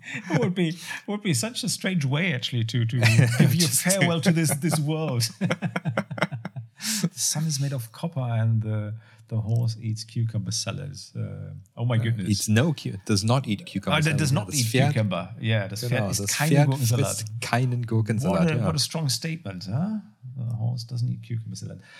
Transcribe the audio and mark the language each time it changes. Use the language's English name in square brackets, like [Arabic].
[English] It would be such a strange way, actually, to give you a farewell to this world. The sun is made of copper and the horse eats cucumber salads. Oh my goodness. Does not eat cucumber salad. Does not eat cucumber. [German] Yeah, das Pferd ist keinen Gurkensalat. [English] What a strong statement, huh? The horse doesn't eat cucumber salad.